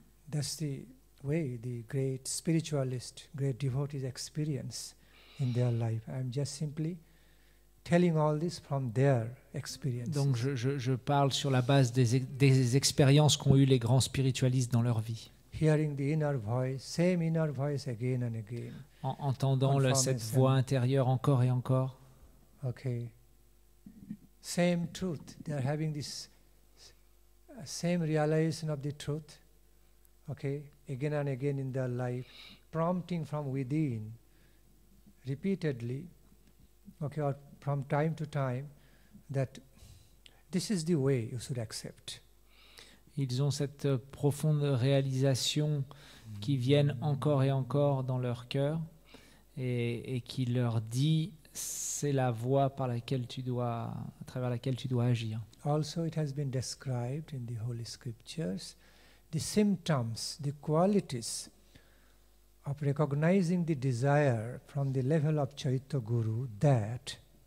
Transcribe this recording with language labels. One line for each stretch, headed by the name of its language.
English: That's the way the great spiritualist, great devotees experience in their life. I'm just simply telling all this from their experience.
French: Donc je parle sur la base des expériences qu'ont eu les grands spiritualistes dans leur vie.
English: Hearing the inner voice, same inner voice again and again.
French: en entendant le, cette voix intérieure encore et encore.
English: Okay. Same truth. They are having this same realization of the truth. Okay. Again and again in their life, prompting from within, repeatedly. Okay. Or from time to time, that this is the way you should accept.
French: Ils ont cette profonde réalisation qui vient encore et encore dans leur cœur et qui leur dit c'est la voie par laquelle tu dois, à travers laquelle tu dois agir.
English: Also, it has been described in the Holy Scriptures the symptoms, the qualities of recognizing the desire from the level of Chaitanya Guru that.